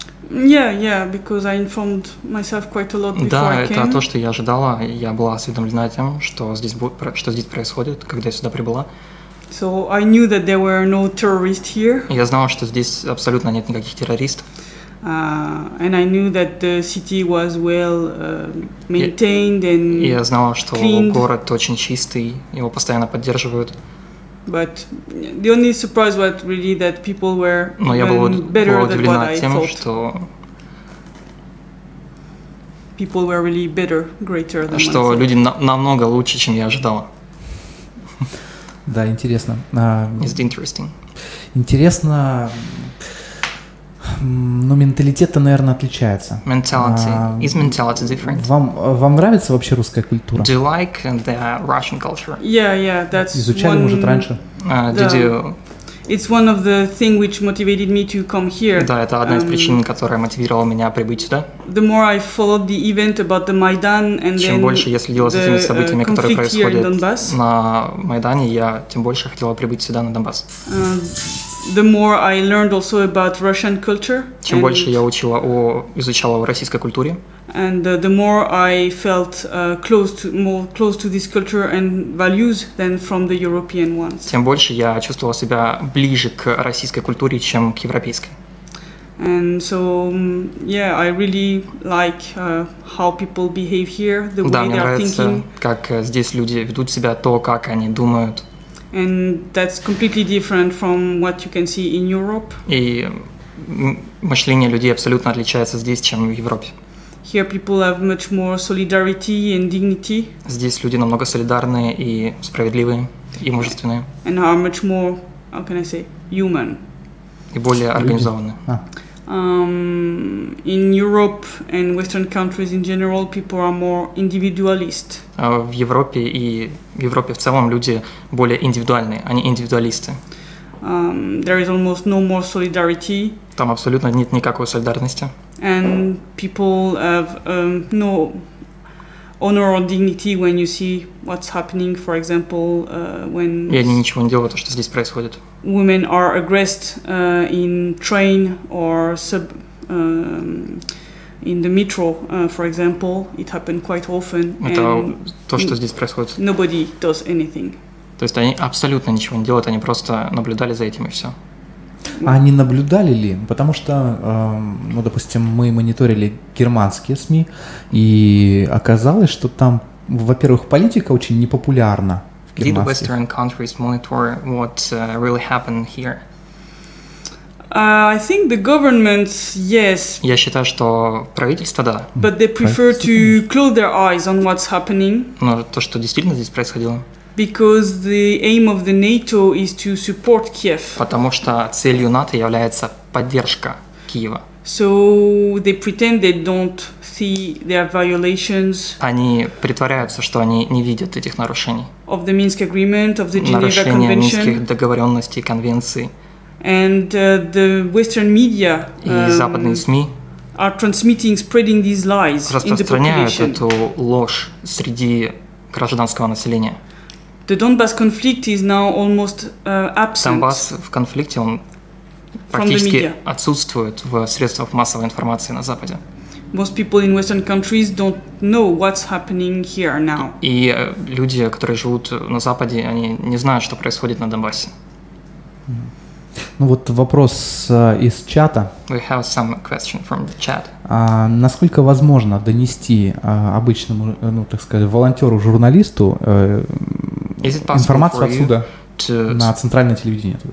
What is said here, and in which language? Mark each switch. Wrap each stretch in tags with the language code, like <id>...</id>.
<en>Yeah, because I informed myself quite a lot before.</en> <ru>Да,</ru> <en>I came.</en> <ru>Это то, что я ожидала. Я была осведомлена тем, что здесь происходит, когда я сюда прибыла.</ru> <en>So I knew that there were no terrorists here.</en> <ru>Я знала, что здесь абсолютно нет никаких террористов.</ru> <en>And I knew that the city was well maintained and cleaned.</en> <ru>Я знала, что город очень чистый, его постоянно поддерживают.</ru> <en>But the only surprise was really that people were better than what I thought. People were really better, greater than myself.</en> <ru>Что люди намного лучше, чем я ожидала. Да, интересно.</ru> <en>Is it interesting?</en> <ru>Интересно, но менталитет-то, наверное, отличается.</ru> <en>Mentality. Is mentality different?</en> <ru>Вам нравится вообще русская культура?</ru> <en>Do you like the Russian culture? Yeah, that's</en> <ru>изучали,</ru> <en>one...</en> <ru>может, раньше?</ru> <en>It's one of the thing which motivated me to come here.</en> <ru>Да, это одна из причин, которая мотивировала меня прибыть сюда.</ru> <en>The more I followed the event about the Maidan and</en> <ru>чем</ru> <en>then</en> <ru>больше я следила за теми событиями, которые происходят на Майдане, я тем больше хотела прибыть сюда, на Донбасс.</ru> <en>The more I learned also about Russian culture.</en> <ru>Чем больше я изучала о российской культуре.</ru> <en>And the more I felt close to this culture and values than from the European ones.</en> <ru>Тем больше я чувствовала себя ближе к российской культуре, чем к европейской.</ru> <en>And so, yeah, I really like how people behave here, the way</en> <ru>да,</ru> <en>they are thinking.</en> <ru>Да, мне нравится, как здесь люди ведут себя, то, как они думают.</ru> <en>And that's completely different from what you can see in Europe.</en> <ru>И мышление людей абсолютно отличается здесь, чем в Европе.</ru> <en>Here people have much more solidarity and dignity.</en> <ru>Здесь люди намного солидарные и справедливые и мужественные.</ru> <en>And are much more, how can I say, human.</en> <ru>И более организованные.</ru> <en>In Europe and Western countries in general, people are more individualist.</en> <ru>В Европе и в Европе в целом люди более индивидуальные, они индивидуалисты.</ru> <en>There is almost no more solidarity.</en> <ru>Там абсолютно нет никакой солидарности.</ru> <en>And people have no honor or dignity when you see what's happening, for example, when.</en> <ru>И они ничего не делают, то что здесь происходит.</ru> <en>Women are aggressed in train or in the metro, for example. It happened quite often.</en> <ru>Это то, что здесь происходит.</ru> <en>Nobody does anything.</en> <ru>То есть они абсолютно ничего не делают, они просто наблюдали за этим и все. А они наблюдали ли? Потому что, ну, допустим, мы мониторили германские СМИ, и оказалось, что там, во-первых, политика очень непопулярна в Германии.</ru> <en>Did Western countries monitor what really happened here? I think the governments, yes.</en> <ru>Я считаю, что правительство, да.</ru> <en>But they prefer to close their eyes on what's happening.</en> <ru>Но то, что действительно здесь происходило.</ru> <en>Because the aim of the NATO is to support Kiev.</en> <ru>Потому что целью НАТО является поддержка Киева.</ru> <en>So they pretend they don't see their violations.</en> <ru>Они притворяются, что они не видят этих нарушений.</ru> <en>Of the Minsk Agreement, of the Geneva Convention.</en> <ru>Нарушения Минских договоренностей, конвенций.</ru> <en>And the Western media.</en> <ru>И западные СМИ.</ru> <en>Are transmitting, spreading these lies in the population.</en> <ru>Распространяют эту ложь среди гражданского населения.</ru> <en>The Donbass conflict is now almost absent.</en> <ru>Донбасс в конфликте, он практически отсутствует в средствах массовой информации на Западе.</ru> <en>Most people in Western countries don't know what's happening here now.</en> <ru>И люди, которые живут на Западе, они не знают, что происходит на Донбассе. Ну вот вопрос из чата.</ru> <en>We have some question from the chat.</en> <ru>Насколько возможно донести обычному, ну так сказать, волонтеру-журналисту информацию отсюда на центральное телевидение?</ru>